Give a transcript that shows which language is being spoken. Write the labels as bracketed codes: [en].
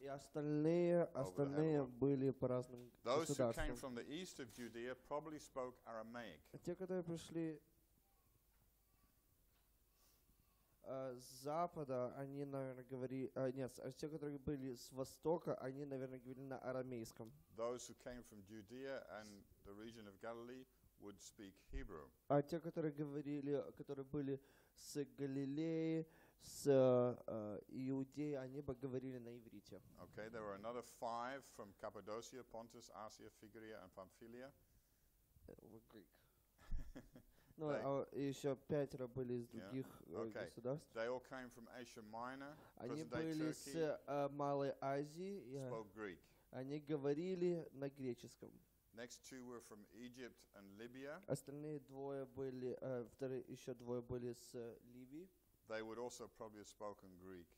[ru] И остальные были по разным государствам. [en] Those who came from the east of Judea probably spoke Aramaic. [ru] Те, которые пришли с запада, они, наверное, те, которые были с востока, они, наверное, говорили на арамейском. [en] Those who came from Judea and the region of Galilee would speak Hebrew. [ru] А те, которые были с Галилеи, с Иудеей, они бы говорили на иврите. [en] Okay, there were another five from Cappadocia, Pontus, Asia, Phrygia, and Pamphylia. Were Greek. [ru] No, еще пятеро были из других государств. [en] They all came from Asia Minor. [ru] Они были с Малой Азии. [en] Spoke Greek. [ru] Они говорили на греческом. [en] Next two were from Egypt and Libya. [ru] Остальные двое были, еще двое были с Ливии. [en] They would also probably have spoken Greek.